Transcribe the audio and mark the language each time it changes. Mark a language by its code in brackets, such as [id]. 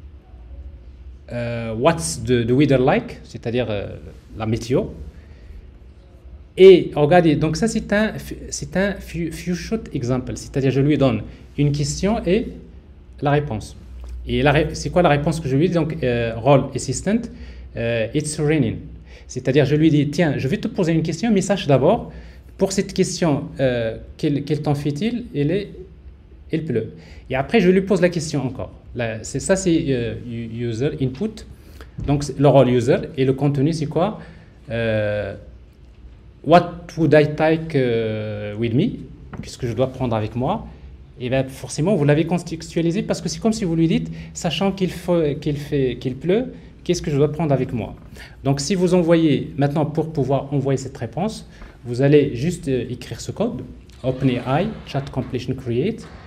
[en] « What's the weather like ?» [fr] c'est-à-dire la météo. Et regardez, donc ça, c'est un [en] few short example, [fr] c'est-à-dire je lui donne une question et la réponse. Et c'est quoi la réponse que je lui dis? Donc, role assistant, [en] it's raining. [fr] C'est-à-dire, je lui dis, tiens, je vais te poser une question, mais sache d'abord, pour cette question, quel temps fait-il? Il pleut. Et après, je lui pose la question encore. C'est user input. Donc, le role user. Et le contenu, c'est quoi? [en] What would I take with me? [fr] Qu'est-ce que je dois prendre avec moi? Et bien forcément, vous l'avez contextualisé parce que c'est comme si vous lui dites, sachant qu'il pleut, qu'est-ce que je dois prendre avec moi? Donc, si vous envoyez maintenant pour pouvoir envoyer cette réponse, vous allez juste écrire ce code, OpenAI, chat completion create.